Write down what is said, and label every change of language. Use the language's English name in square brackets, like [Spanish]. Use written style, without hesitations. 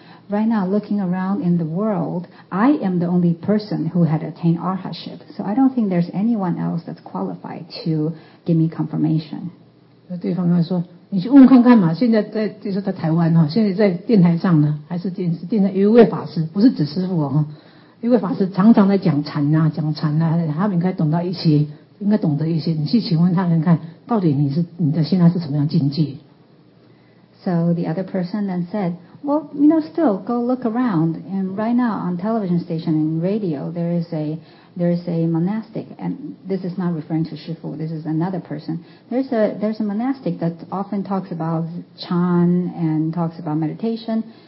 [English] Right now, looking around in the world, I am the only person who had attained arhatship. So I don't think there's anyone else that's qualified to give me confirmation. [Chinese] 对方说，你去问看看嘛。现在在就是在台湾哈，现在在电台上呢，还是电台有一位法师，不是指师父哦，一位法师常常在讲禅啊，他应该懂到一些，应该懂得一些。你去请问他看看，到底你的现在是什么样境界 [English] ？So the other person then said. Well, you know, still, go look around. And right now, on television station and radio, there is a monastic, and this is not referring to Shifu, this is another person. There's a monastic that often talks about Chan and talks about meditation.